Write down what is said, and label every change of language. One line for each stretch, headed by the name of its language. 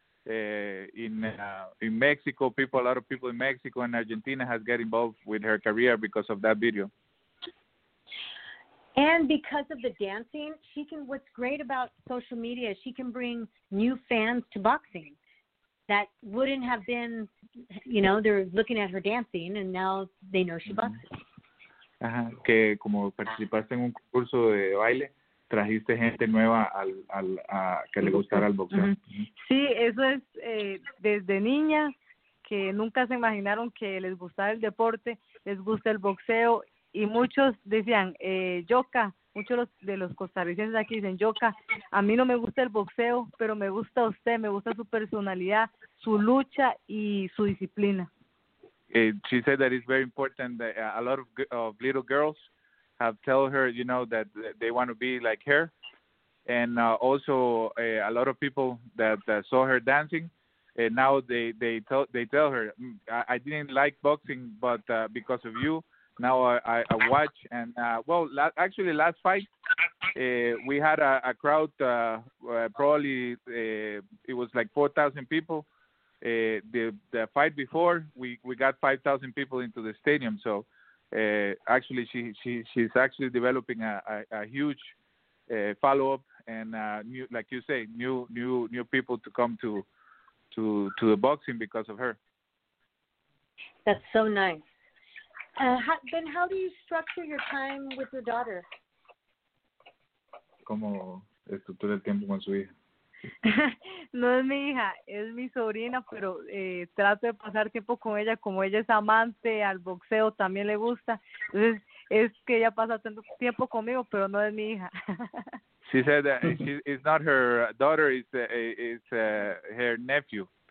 English: In Mexico, people, a lot of people in Mexico and Argentina has got involved with her career because of that video. And because of the dancing, she can. What's great about social media, she can bring new fans to boxing that wouldn't have been, you know, they're looking at her dancing and now they know she boxes.
Spanish: Ajá, que como participaste en un concurso de baile, trajiste gente nueva a que le gustara el boxeo. Mm-hmm. Sí, eso es desde niña, que nunca se imaginaron que les gustaba el deporte, les gusta el boxeo. Y muchos decían, Yoka, muchos de los costarricenses aquí dicen, Yoka, a mí no me gusta el boxeo, pero me gusta usted, me gusta su personalidad, su lucha y su disciplina.
English: She said that it's very important that a lot of little girls have told her, you know, that they want to be like her. And also a lot of people that saw her dancing. And now they tell her, I didn't like boxing, but because of you. Now I watch, and actually last fight, we had a crowd, probably it was like 4,000 people. The fight before, we got 5,000 people into the stadium. So actually she's actually developing a huge follow-up and new people to come to the boxing because of her. That's so nice. Ben, how do you structure your time with your daughter?
Spanish: ¿Cómo estructura el tiempo con su hija? No es mi hija, es mi sobrina, pero trato de pasar tiempo con ella, como ella es amante al boxeo, también le gusta. Entonces, es que ella pasa tanto tiempo conmigo, pero no es mi hija.
English: She said that it's not her daughter, it's her nephew.